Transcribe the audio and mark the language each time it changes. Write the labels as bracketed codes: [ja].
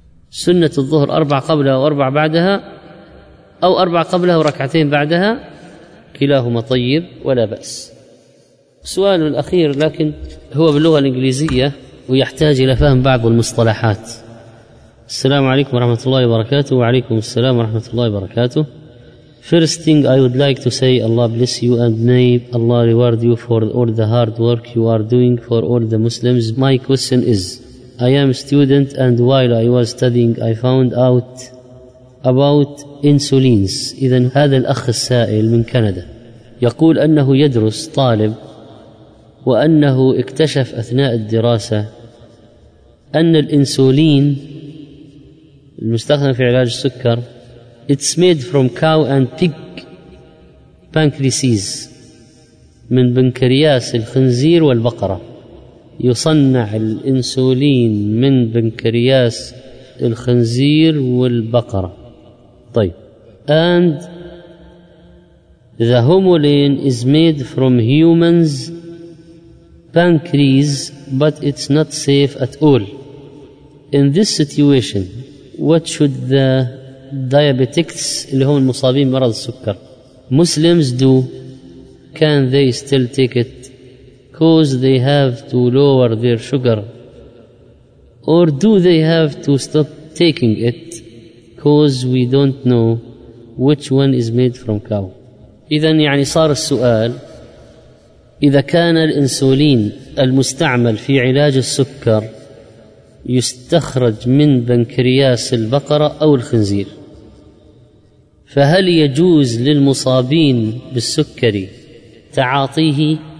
[ar] سنة الظهر 4 قبلها و4 بعدها، أو 4 قبلها وركعتين بعدها، كلاهما طيب ولا بأس. سؤال الأخير لكن هو باللغة الإنجليزية ويحتاج إلى فهم بعض المصطلحات. السلام عليكم ورحمة الله وبركاته. وعليكم السلام ورحمة الله وبركاته. [en] First thing I would like to say, Allah bless you and may Allah reward you for all the hard work you are doing for all the Muslims. My question is, I am a student and while I was studying I found out about insulins. [ar] إذن هذا الأخ السائل من كندا يقول أنه يدرس طالب، وأنه اكتشف أثناء الدراسة أن الإنسولين المستخدم في علاج السكر [en] It's made from cow and pig pancreases، [ar] من بنكرياس الخنزير والبقرة. يصنع الإنسولين من بنكرياس الخنزير والبقرة. طيب. [en] And the homolin is made from humans pancreas but it's not safe at all. In this situation what should the diabetics [ar] اللي هم المصابين بمرض السكر [en] Muslims do? Can they still take it because they have to lower their sugar, or do they have to stop taking it because we don't know which one is made from cow? [ar] إذن يعني صار السؤال، إذا كان الإنسولين المستعمل في علاج السكر يستخرج من بنكرياس البقرة أو الخنزير، فهل يجوز للمصابين بالسكري تعاطيه